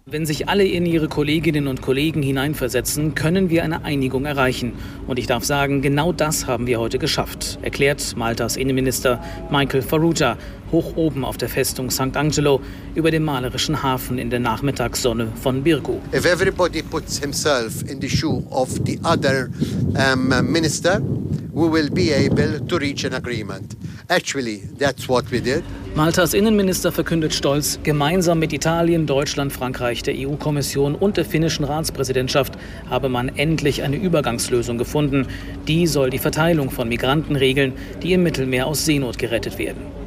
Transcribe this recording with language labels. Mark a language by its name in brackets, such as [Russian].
[German] Wenn sich alle in ihre Kolleginnen und Kollegen hineinversetzen, können wir eine Einigung erreichen. Und ich darf sagen, genau das haben wir heute geschafft, erklärt Maltas Innenminister Michael Farrugia hoch oben auf der Festung St. Angelo über dem malerischen Hafen in der Nachmittagssonne von Birgu. [English] If everybody puts himself in the shoe of the other minister, we will be able to reach an agreement. Actually, that's what we did. [German] Maltas Innenminister verkündet stolz, gemeinsam mit Italien, Deutschland, Frankreich, der EU-Kommission und der finnischen Ratspräsidentschaft habe man endlich eine Übergangslösung gefunden. Die soll die Verteilung von Migranten regeln, die im Mittelmeer aus Seenot gerettet werden.